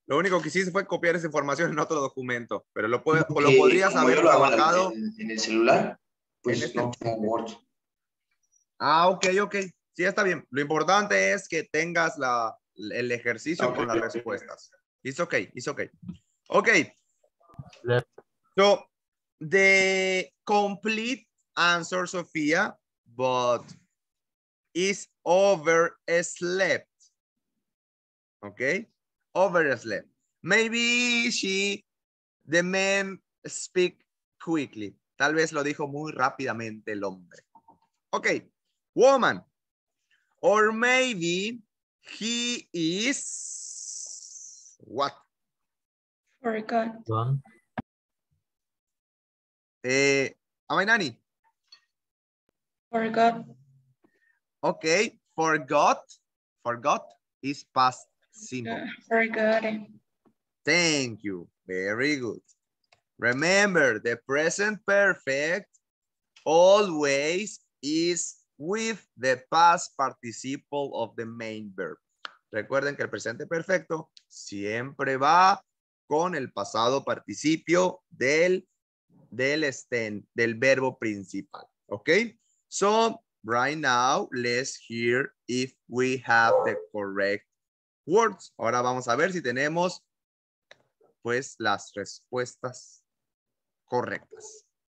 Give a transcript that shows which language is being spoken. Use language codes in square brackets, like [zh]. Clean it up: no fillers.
[es] Lo único que hice fue copiar esa información en otro documento, pero lo podrías haber trabajado en el celular. Pues no tengo Word. Ah, ok. Sí, está bien. Lo importante es que tengas el ejercicio con las respuestas. [en] It's ok. Ok. So, the complete answer, Sofía, but is overslept. Okay, overslept. Maybe the man speak quickly. [es] Tal vez lo dijo muy rápidamente el hombre. [en] Okay, woman. Or maybe he is what? Forgotten. Am I nani? Forgot. Okay, forgot. Forgot is past. Very good. Thank you. Very good. Remember, the present perfect always is with the past participle of the main verb. [es] Recuerden que el presente perfecto siempre va con el pasado participio del verbo principal. Okay? So, [en] right now, let's hear if we have the correct words. Ahora vamos a ver si tenemos, pues, las respuestas correctas.